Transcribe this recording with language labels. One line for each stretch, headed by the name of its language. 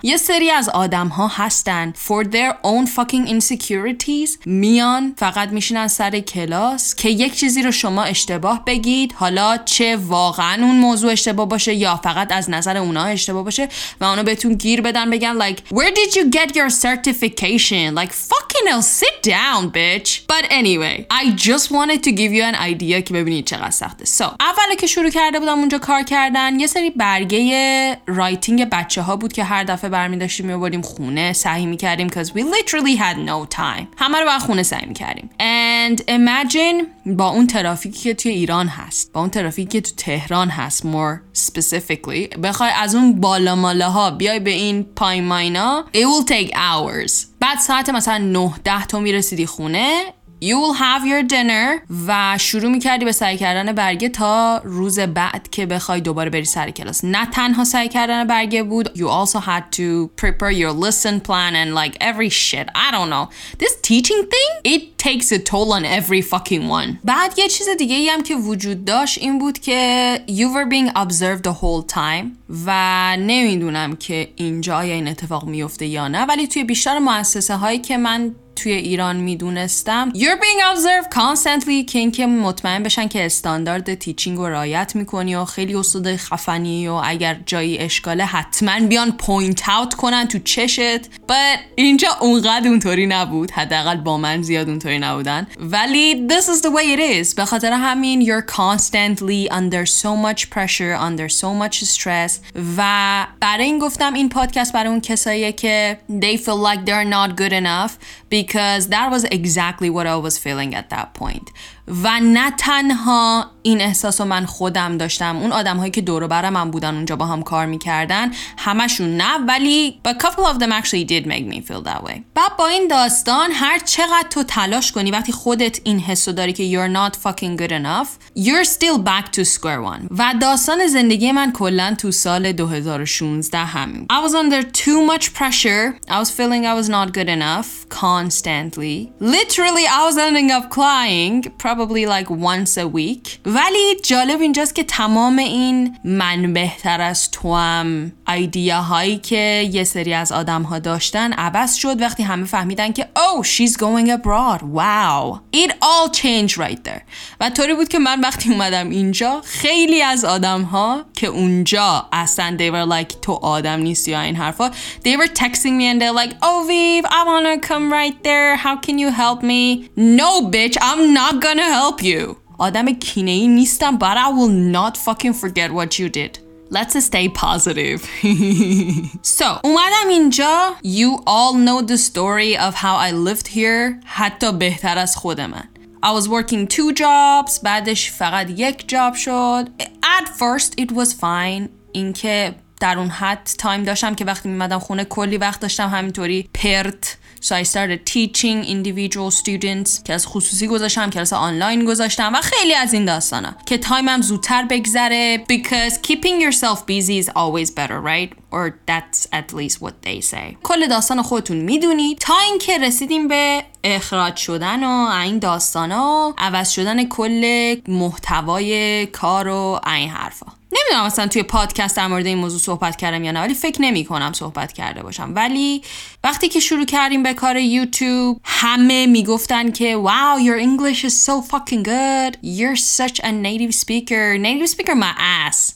Persian: یه سری از آدم ها هستن
English: for their own fucking insecurities
Persian: میان فقط میشینن سر کلاس که یک چیزی رو شما اشتباه بگید, حالا چه واقعا اون موضوع اشتباه باشه یا فقط از نظر اونا اشتباه باشه, و اونا بهتون گیر بدن بگن
English: like where did you get your certification, like fucking hell sit down bitch. But anyway, I just wanted to give you an idea
Persian: که ببینید چقدر سخته. So اول که شروع کرده بودم اونجا کار کردن, یه سری برگه رایتینگ بچه ها بود که هر دفعه برمی‌داشتیم می‌بردیم خونه سعی می‌کردیم
English: cuz we literally had no time.
Persian: همه رو با خونه سعی می‌کردیم.
English: And imagine
Persian: با اون ترافیکی که توی ایران هست، با اون ترافیکی که تو تهران هست
English: more specifically،
Persian: بخوای از اون بالا مالاها بیای به این پایین ماینا،
English: it will take hours.
Persian: بعد ساعت مثلا 9-10 تو می‌رسیدی خونه،
English: you will have your dinner
Persian: و شروع میکردی به سعی کردن برگه تا روز بعد که بخوای دوباره بری سر کلاس. نه تنها سعی کردن برگه بود،
English: you also had to prepare your lesson plan and like every shit. I don't know. This teaching thing, it takes a toll on every fucking one.
Persian: بعد یه چیز دیگه ای هم که وجود داشت این بود که
English: you were being observed the whole time
Persian: و نمیدونم که اینجا یا این اتفاق میفته یا نه، ولی توی بیشتر مؤسسه هایی که من توی ایران میدونستم
English: you're being observed constantly،
Persian: که اینکه مطمئن بشن که استاندارد تیچینگ رو رعایت میکنی و خیلی استاد خفنی و اگر جایی اشکاله حتما بیان پوینت اوت کنن تو چشت. But اینجا اونقدر اونطوری نبود، حداقل با من زیاد اونطوری نبودن، ولی
English: this is the way it is.
Persian: به خاطر همین
English: you're constantly under so much pressure, under so much stress.
Persian: و برای این گفتم این پادکست برای اون کساییه که
English: they feel like they're not good enough، because that was exactly what I was feeling at that point.
Persian: و نه تنها این احساسو من خودم داشتم، اون آدمهایی که دور و برم هم بودن اونجا با هم کار میکردن همشون نه، ولی
English: a couple of them actually did make me feel that way.
Persian: بعد با این داستان هر چقدر تو تلاش کنی وقتی خودت این حسو داری که
English: you're not fucking good enough you're still back to square one.
Persian: و داستان زندگی من کلن تو سال 2016 همین،
English: I was under too much pressure, I was feeling I was not good enough constantly, literally I was ending up crying probably like once a week.
Persian: ولی جالب اینجاست که تمام این من بهتر از تو هم ایده هایی که یه سری از آدم ها داشتن عوض شد وقتی همه فهمیدن که
English: oh she's going abroad, wow it all changed right there.
Persian: و طوری بود که من وقتی اومدم اینجا خیلی از آدم ها که اونجا اصلا
English: they were like
Persian: تو آدم نیستی یا این حرفا،
English: they were texting me and they're like oh Viv I wanna come right there, how can you help me, no bitch I'm not gonna help you.
Persian: آدم کینه‌ای نیستم،
English: but I will not fucking forget what you did. Let's stay positive.
Persian: So, اومدم اینجا.
English: You all know the story of how I lived here.
Persian: حتی بهتر از خود من.
English: I was working two jobs.
Persian: بعدش فقط یک جاب شد.
English: At first, it was fine.
Persian: اینکه در اون حد تایم داشتم که وقتی میمدم خونه کلی وقت داشتم همینطوری پرت.
English: So I started teaching individual students.
Persian: کلاس خصوصی گذاشتم، کلاس آنلاین گذاشتم و خیلی از این داستانا که تایمم زودتر بگذره،
English: because keeping yourself busy is always better, right? Or that's at least what they say.
Persian: کل داستان خودتون میدونید. تا اینکه رسیدیم به اخراج شدن و این داستانا، عوض شدن کل محتوای کار و این حرفا. نمیدونم مثلا توی پادکست در مورد این موضوع صحبت کردم یا نه، ولی فکر نمی کنم صحبت کرده باشم. ولی وقتی که شروع کردیم به کار یوتیوب، همه میگفتن که
English: wow your English is so fucking good, you're such a native speaker my ass.